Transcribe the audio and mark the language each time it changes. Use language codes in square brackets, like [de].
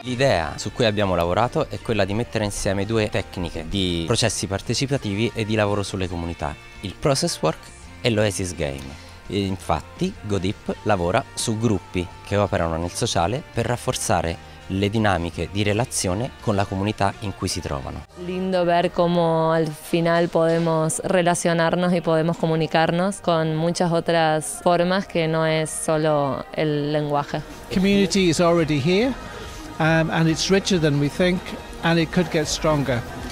[it] L'idea su cui abbiamo lavorato è quella di mettere insieme due tecniche di processi partecipativi e di lavoro sulle comunità, il process work e l'Oasis Game. Infatti, GoDeep lavora su gruppi che operano nel sociale per rafforzare le dinamiche di relazione con la comunità in cui si trovano. [es] Lindo ver cómo al final podemos relacionarnos y podemos comunicarnos con muchas otras formas que no es solo el lenguaje. [en] Community is already here and it's richer than we think and it could get stronger.